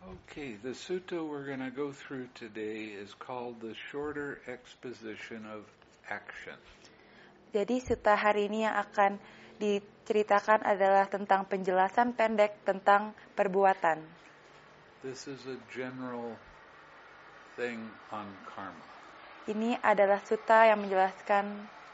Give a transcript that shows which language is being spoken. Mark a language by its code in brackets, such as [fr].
[en] Okay, the sutta we're going to go through today is called the Shorter Exposition of Action. [id] Jadi sutta hari ini yang akan diceritakan adalah tentang penjelasan pendek tentang perbuatan. [en] This is a general thing on karma. [id] Ini adalah sutta yang menjelaskan.